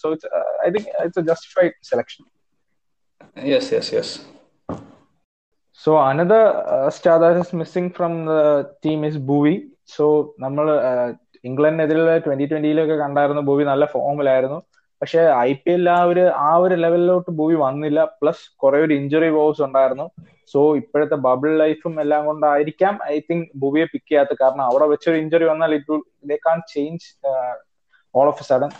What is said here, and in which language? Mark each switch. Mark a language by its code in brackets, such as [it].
[en] So I think it's a justified selection. Yes, yes, yes. So another star that is missing from the team is Bhuvi. [ml] So നമ്മൾ ഇംഗ്ലണ്ടിനെതിരെ 2020 കണ്ടായിരുന്നു ഭൂവി നല്ല ഫോമിലായിരുന്നു. പക്ഷെ I P L ആ ഒരു ലെവലിലോട്ട് ഭൂവി വന്നില്ല. Plus കുറെ ഒരു ഇഞ്ചുറി വോവ്സ് ഉണ്ടായിരുന്നു. സോ ഇപ്പോഴത്തെ ബബിൾ ലൈഫും എല്ലാം കൊണ്ടായിരിക്കാം ഐ തിങ്ക് ഭൂവിയെ പിക്ക് ചെയ്യാത്തത്. കാരണം അവിടെ വെച്ചൊരു ഇഞ്ചുറി വന്നാൽ [en] It they can change all of a sudden.